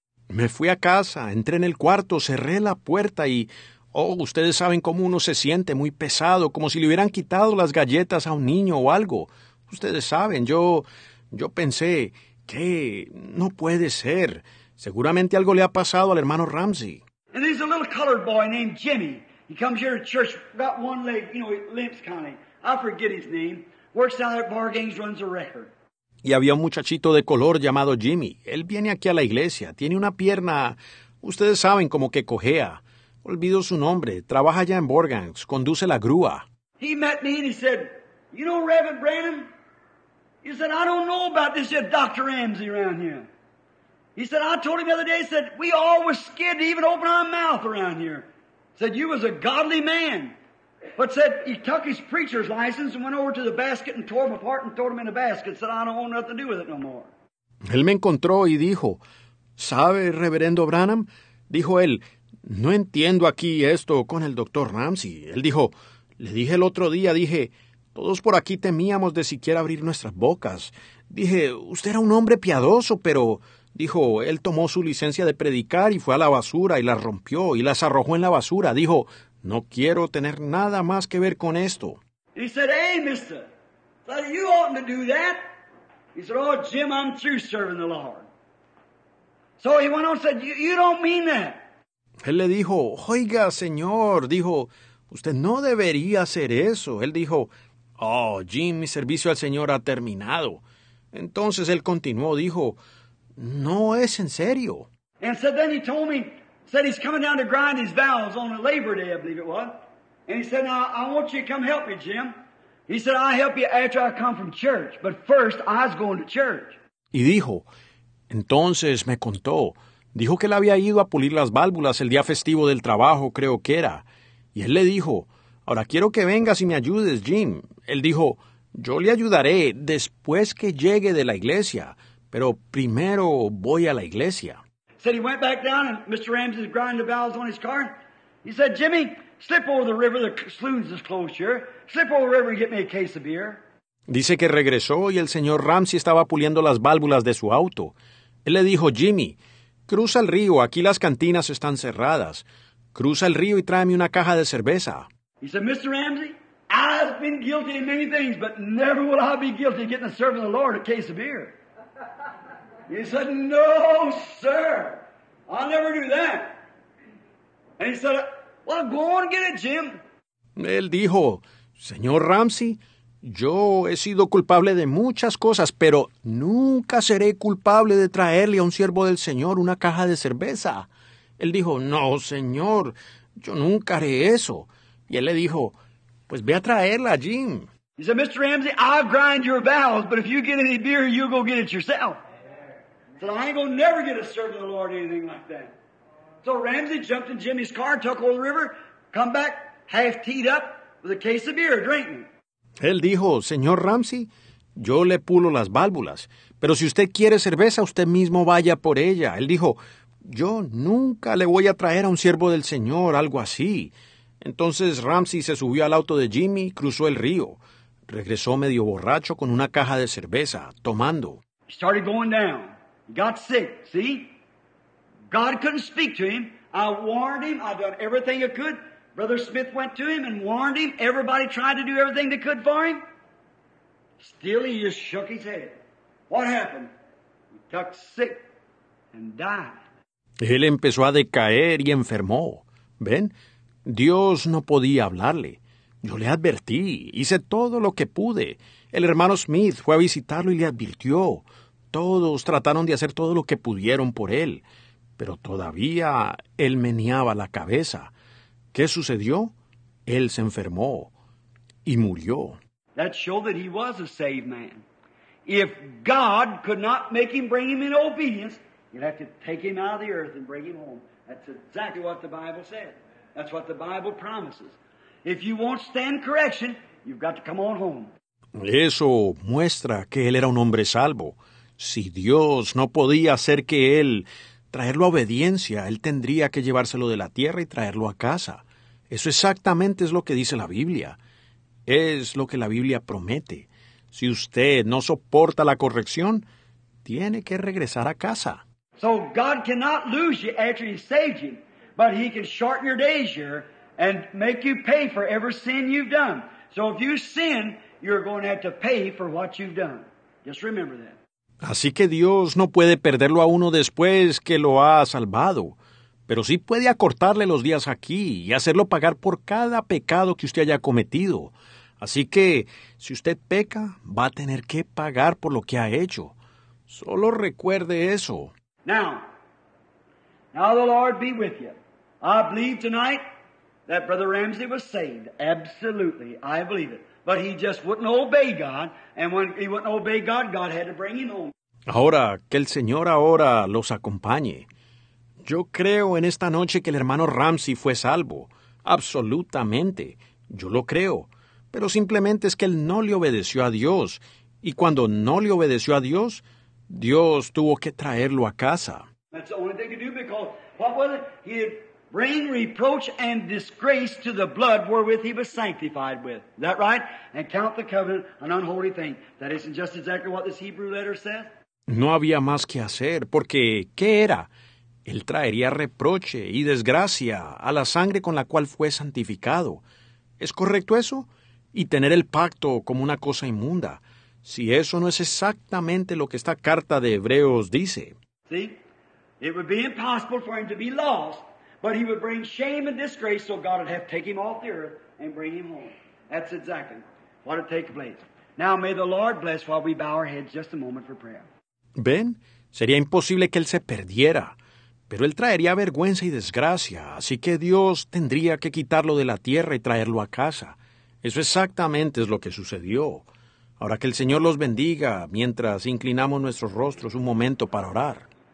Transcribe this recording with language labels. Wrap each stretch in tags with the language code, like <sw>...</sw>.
<es>Me fui a casa, entré en el cuarto, cerré la puerta y, oh, ustedes saben cómo uno se siente muy pesado, como si le hubieran quitado las galletas a un niño o algo. Ustedes saben, yo pensé que no puede ser. Seguramente algo le ha pasado al hermano Ramsey.</es> <en>And there's a little colored boy named Jimmy. He comes here to church, got one leg, you know, he limps kind of. I forget his name. Works out at bar games, runs a record.</en> <es>Y había un muchachito de color llamado Jimmy. Él viene aquí a la iglesia. Tiene una pierna, ustedes saben, como que cojea. Olvido su nombre. Trabaja ya en Borgans. Conduce la grúa.</es> <en>He met me and he said, you know Reverend Branham? He said, I don't know about this yet, Dr. Ramsey around here. He said, I told him the other day, he said, we all were scared to even open our mouth around here. He said, you was a godly man. But said, he took his preacher's license and went over to the basket and tore them apart and threw them in the basket. He said, I don't want nothing to do with it no more.</en> <es>Él me encontró y dijo, ¿sabe, Reverendo Branham? Dijo él, no entiendo aquí esto con el Dr. Ramsey. Él dijo, le dije el otro día, dije, todos por aquí temíamos de siquiera abrir nuestras bocas. Dije, usted era un hombre piadoso, pero, dijo, él tomó su licencia de predicar y fue a la basura y las rompió y las arrojó en la basura. Dijo, no quiero tener nada más que ver con esto.</es> <en>He said, hey, mister, you oughtn't to do that. He said, oh, Jim, I'm through serving the Lord. So he went on and said, you don't mean that.</en> <es>Él le dijo, oiga, señor, dijo, usted no debería hacer eso. Él dijo, oh, Jim, mi servicio al Señor ha terminado. Entonces él continuó, dijo, no es en serio.</es> <en>And so then he told me, said he's coming down to grind his valves on a Labor Day, I believe it was. And he said, now, I want you to come help me, Jim. He said, I'll help you after I come from church, but first I was going to church.</en> <es>Y dijo, entonces me contó, dijo que él había ido a pulir las válvulas el día festivo del trabajo, creo que era. Y él le dijo, ahora quiero que vengas y me ayudes, Jim. Él dijo, yo le ayudaré después que llegue de la iglesia, pero primero voy a la iglesia.</es> <en>Said he went back down and Mr. Ramsey's grinding the valves on his car. He said, Jimmy, slip over the river, the saloon's just closed here. Slip over the river and get me a case of beer.</en> <es>Dice que regresó y el señor Ramsey estaba puliendo las válvulas de su auto. Él le dijo, Jimmy, cruza el río, aquí las cantinas están cerradas. Cruza el río y tráeme una caja de cerveza.</es> <en>He said, Mr. Ramsey, I've been guilty of many things, but never will I be guilty of getting the servant of the Lord a case of beer. He said, no, sir, I'll never do that. And he said, well, go on and get it, Jim.</en> <es>Él dijo, señor Ramsey, yo he sido culpable de muchas cosas, pero nunca seré culpable de traerle a un siervo del Señor una caja de cerveza. Él dijo, no, señor, yo nunca haré eso. Y él le dijo, pues ve a traerla, Jim.</es> <en>He said, Mr. Ramsey, I'll grind your valves, but if you get any beer, you'll go get it yourself. He said, I ain't gonna never get a servant of the Lord anything like that. So Ramsey jumped in Jimmy's car, took over the river, come back half teed up with a case of beer drinking.</en> <es>Él dijo, señor Ramsey, yo le pulo las válvulas, pero si usted quiere cerveza, usted mismo vaya por ella. Él dijo, yo nunca le voy a traer a un siervo del Señor algo así. Entonces Ramsey se subió al auto de Jimmy, cruzó el río. Regresó medio borracho con una caja de cerveza, tomando.</es> <en>He started going down. He got sick, see? God couldn't speak to him. I warned him. I done everything I could. Brother Smith went to him and warned him. Everybody tried to do everything they could for him. Still, he just shook his head. What happened? He got sick and died.</en> <es>Él empezó a decaer y enfermó. ¿Ven? Dios no podía hablarle. Yo le advertí. Hice todo lo que pude. El hermano Smith fue a visitarlo y le advirtió. Todos trataron de hacer todo lo que pudieron por él. Pero todavía él meneaba la cabeza. ¿Qué sucedió? Él se enfermó y murió.</es> <en>That showed that he was a saved man. If God could not make him bring him in obedience, you'd have to take him out of the earth and bring him home. That's exactly what the Bible said. That's what the Bible promises. If you won't stand correction, you've got to come on home.</en> <es>Eso muestra que él era un hombre salvo. Si Dios no podía hacer que él traerlo a obediencia, él tendría que llevárselo de la tierra y traerlo a casa. Eso exactamente es lo que dice la Biblia. Es lo que la Biblia promete. Si usted no soporta la corrección, tiene que regresar a casa.</es> <en>So God cannot lose you after he saved you, but he can shorten your days here and make you pay for every sin you've done. So if you sin, you're going to have to pay for what you've done. Just remember that.</en> <es>Así que Dios no puede perderlo a uno después que lo ha salvado, pero sí puede acortarle los días aquí y hacerlo pagar por cada pecado que usted haya cometido. Así que, si usted peca, va a tener que pagar por lo que ha hecho. Solo recuerde eso.</es> <en>Now the Lord be with you. I believe tonight that Brother Ramsey was saved. Absolutely, I believe it. But he just wouldn't obey God, and when he wouldn't obey God, God had to bring him home.</en> <es>Ahora, que el Señor ahora los acompañe. Yo creo en esta noche que el hermano Ramsey fue salvo. Absolutamente, yo lo creo. Pero simplemente es que él no le obedeció a Dios, y cuando no le obedeció a Dios, Dios tuvo que traerlo a casa.</es> <en>That's the only thing to do because, what was it? He'd bring reproach and disgrace to the blood wherewith he was sanctified with. Is that right? And count the covenant an unholy thing. That isn't just exactly what this Hebrew letter says.</en> <es>No había más que hacer, porque ¿qué era? Él traería reproche y desgracia a la sangre con la cual fue santificado. ¿Es correcto eso? Y tener el pacto como una cosa inmunda. Si eso no es exactamente lo que esta carta de Hebreos dice. ¿Sí?</es> <en>It would be impossible for him to be lost, but he would bring shame and disgrace, so God would have to take him off the earth and bring him home. That's exactly what would take place. Now may the Lord bless while we bow our heads just a moment for prayer.</en> <es>Ben, sería imposible que él se perdiera, pero él traería vergüenza y desgracia, así que Dios tendría que quitarlo de la tierra y traerlo a casa. Eso exactamente es lo que sucedió. Ahora que el Señor los bendiga mientras inclinamos nuestros rostros un momento para orar.</es>